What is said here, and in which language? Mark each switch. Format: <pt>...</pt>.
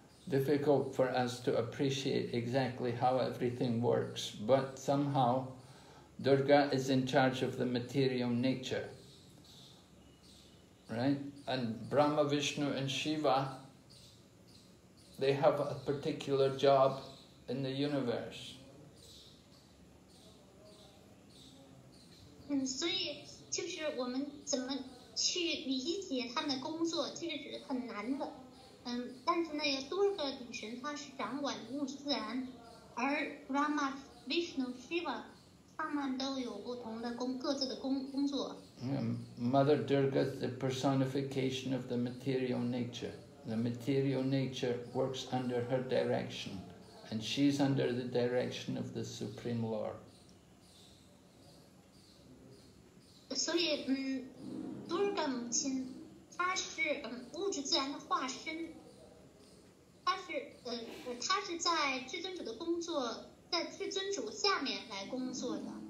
<en>Difficult for us to appreciate exactly how everything works, but somehow Durga is in charge of the material nature. Right? And Brahma, Vishnu and Shiva, they have a particular job in the universe.</en> <zh>所以就是我们怎么去理解他们的工作，这个是很难的。但是呢，有多个女神，她是掌管物自然，而 Rama、Vishnu、Shiva， 他们都有不同的各自的工作。</zh> <en>Mother Durga is the personification of the material nature. The material nature works under her direction, and she's under the direction of the Supreme Lord.</en> <zh>所以，Durga 母亲，她是物质自然的化身，她是在至尊主的工作，在至尊主下面来工作的。</zh>